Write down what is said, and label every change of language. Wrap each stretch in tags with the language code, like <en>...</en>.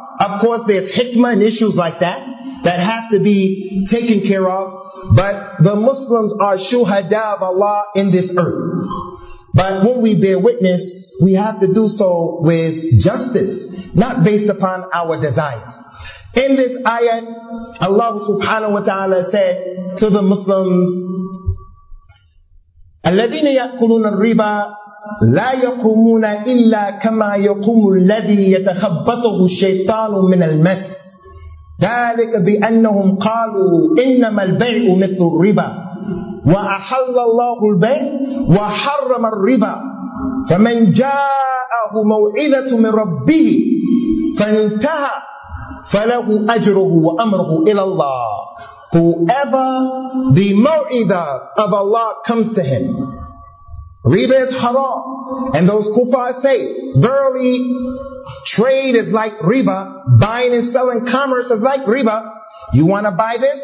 <en>Of course, there's hikmah and issues like that that have to be taken care of. But the Muslims are shuhada of Allah in this earth. But when we bear witness, we have to do so with justice, not based upon our desires. In this ayat, Allah subhanahu wa ta'ala said to the Muslims,</en> <ar>الَّذِينَ يَأْكُلُونَ الرِّبَى لَا يَقُومُونَ إِلَّا كَمَا يَقُومُ الَّذِي يَتَخَبَّطُهُ الشَّيْطَانُ مِنَ الْمَسِّ ذَلِكَ بِأَنَّهُمْ قَالُوا إِنَّمَا الْبَيْعُ مِثْلُ الرِّبَى وَأَحَلَّ اللَّهُ الْبَيْعَ وَحَرَّمَ الرِّبَى فَمَنْ جَاءَهُ مَوْعِظَةٌ مِنْ رَبِّهِ فَانْتَهَى فَلَهُ أَجْرُهُ وَأَمْرُهُ إِلَى اللَّهِ.</ar> <en>Whoever the mu'idah of Allah comes to him, riba is haram, and those kuffar say, verily, trade is like riba, buying and selling commerce is like riba. You want to buy this?</en>